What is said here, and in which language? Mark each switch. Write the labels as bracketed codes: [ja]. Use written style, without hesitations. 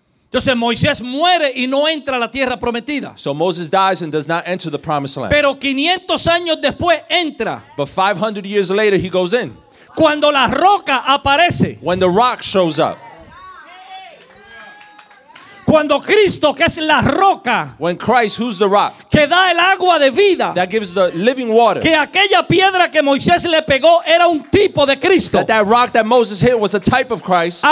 [es] Entonces Moisés muere y no entra a la tierra prometida. [en] So Moses dies and does not enter the promised land. [es] Pero 500 años después entra. [en] But 500 years later he goes in. [es] Cuando la roca aparece. [en] When the rock shows up. [es] Cuando Cristo, que es la roca, [en] when Christ, who's the rock, [es] que da el agua de vida, [en] that gives the living water, [es] que aquella piedra que Moisés le pegó era un tipo de Cristo, [en] that rock that Moses hit was a type of Christ.